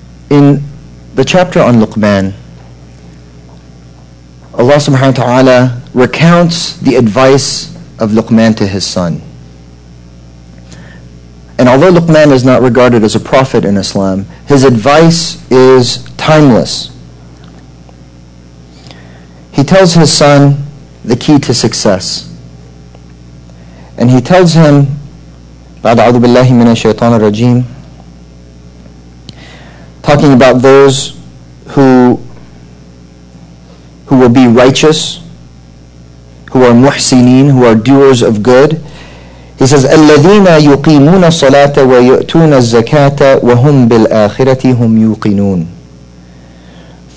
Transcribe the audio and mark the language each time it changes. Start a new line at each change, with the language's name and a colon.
English: In the chapter on Luqman, Allah subhanahu wa ta'ala recounts the advice of Luqman to his son. And although Luqman is not regarded as a prophet in Islam, his advice is timeless. He tells his son the key to success. And he tells him,
Arabic: بعد أعوذ بالله من الشيطان الرجيم,
English: talking about those who will be righteous, who are muhsinin, who are doers of good. He says,
Arabic: الَّذِينَ يُقِيمُونَ الصَّلَاةَ وَيُؤْتُونَ الزَّكَاةَ وَهُمْ بِالْآخِرَةِ هُمْ يُوقِنُونَ.